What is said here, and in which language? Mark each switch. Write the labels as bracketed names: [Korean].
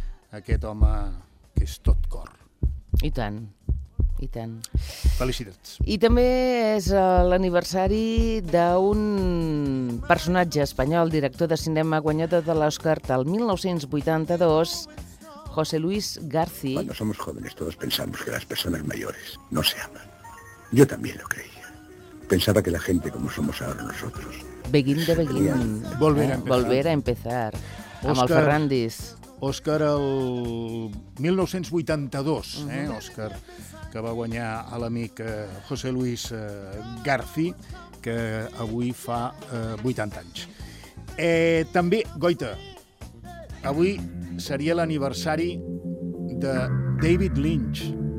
[Catalan] Aquest home que és tot cor. I tant. I tant. Felicitats. I també és l'aniversari d'un personatge espanyol, director de cinema, guanyador de l'Oscar del 1982, José Luis García. [Spanish] Cuando somos jóvenes todos pensamos que las personas mayores no se aman. Yo también lo creía. Pensaba que la gente como somos ahora nosotros... [English] Beguín de Beguín. [Spanish] Volver a empezar. [Catalan] Oscar... Amb el Ferrandis. Òscar el 1982, Òscar, que va guanyar a l'amic José Luis Garci, que avui fa 80 anys. També, Goita, avui seria l'aniversari de David Lynch.